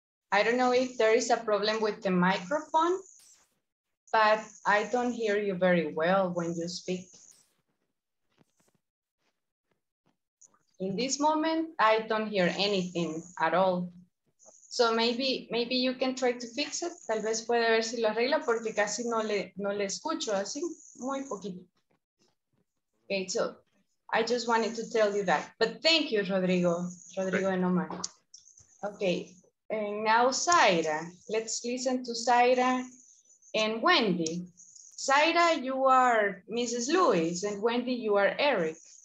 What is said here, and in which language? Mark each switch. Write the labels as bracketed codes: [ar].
[en] I don't know if there is a problem with the microphone, but I don't hear you very well when you speak. In this moment, I don't hear anything at all. So maybe you can try to fix it. [es] Tal vez puede ver si lo arregla porque casi no le escucho así, muy poquito. [en] Okay, so I just wanted to tell you that. But thank you, Rodrigo and Omar. Okay, and now Zaira. Let's listen to Zaira and Wendy. Zaira, you are Mrs. Lewis, and Wendy, you are Eric.